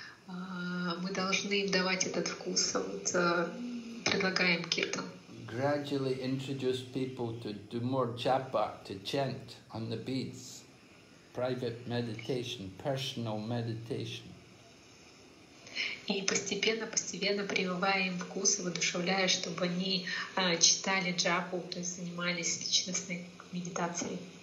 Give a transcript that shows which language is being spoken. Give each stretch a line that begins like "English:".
Russian: Мы должны им давать этот вкус, вот предлагаем киртан.
English: Gradually introduce people to do more japa, to chant on the beats. Private meditation, personal meditation.
Russian: И постепенно прививая им вкус и воодушевляя, чтобы они читали джапу, то есть занимались личностной медитацией.